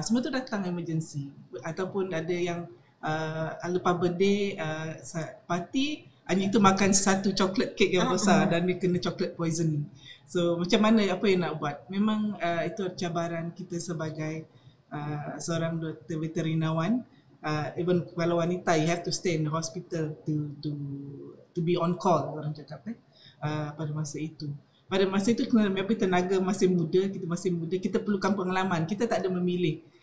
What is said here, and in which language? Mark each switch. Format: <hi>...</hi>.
<ms>Semua tu datang emergency. Ataupun ada yang lepas birthday party, anjing tu makan satu coklat kek yang besar dan dia kena coklat poisoning. So macam mana, apa yang nak buat? Memang itu cabaran kita sebagai seorang doktor veterinawan. Even kalau wanita,</ms> <en>you have to stay in the hospital to be on call,</en> <ms>orang cakap, eh? Pada masa itu. Pada masa itu, tapi tenaga masih muda, kita masih muda, kita perlukan pengalaman, kita tak ada memilih.</ms>